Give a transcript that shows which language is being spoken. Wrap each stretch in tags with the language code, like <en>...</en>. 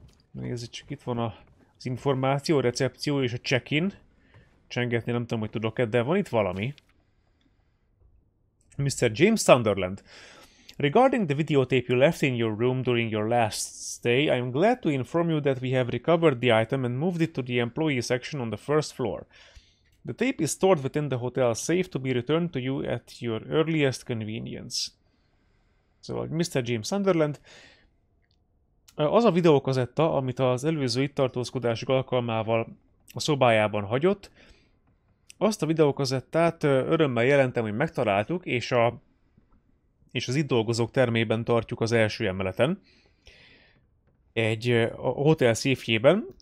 <hu>Nézzük csak, itt van az információ, a recepció és a check-in. Csengetni nem tudom, hogy tudok-e, de van itt valami. Mr. James Sunderland.</hu> <en>Regarding the videotape you left in your room during your last stay, I am glad to inform you that we have recovered the item and moved it to the employee section on the first floor. The tape is stored within the hotel safe to be returned to you at your earliest convenience.</en> <hu>Szóval, Mr. James Sunderland. Az a videókazetta, amit az előző itt tartózkodásuk alkalmával a szobájában hagyott, azt a videókazettát örömmel jelentem, hogy megtaláltuk, és az itt dolgozók termében tartjuk az első emeleten, egy a hotel széfjében.</hu>